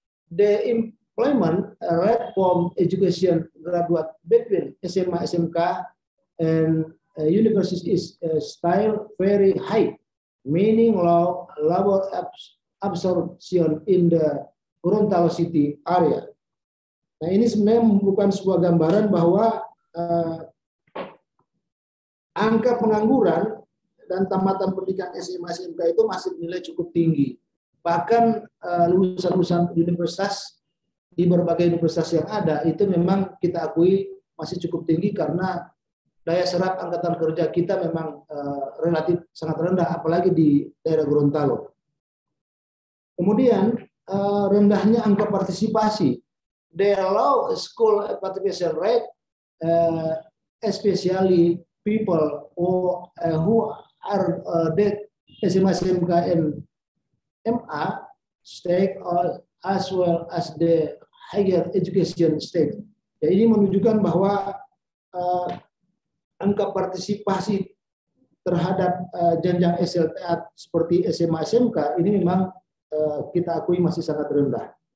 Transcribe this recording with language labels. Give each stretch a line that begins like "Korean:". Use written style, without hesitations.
English: The employment rate from education graduate between SMA, SMK, and universities is still very high, meaning low labor absorption in the Gorontalo city area.
Indonesian: Nah, ini sebenarnya merupakan sebuah gambaran bahwa angka pengangguran dan tamatan pendidikan SMA SMK itu masih nilai cukup tinggi. Bahkan lulusan-lulusan universitas di berbagai universitas yang ada itu memang kita akui masih cukup tinggi karena daya serap angkatan kerja kita memang relatif sangat rendah, apalagi di daerah Gorontalo. Kemudian rendahnya angka partisipasi.
English: The low school participation rate, especially people who are SMA, SMK, and MA, state as well as the higher education state.
Indonesian: Ya, ini menunjukkan bahwa angka partisipasi terhadap jenjang SLTA seperti SMA SMK ini memang kita akui masih sangat rendah.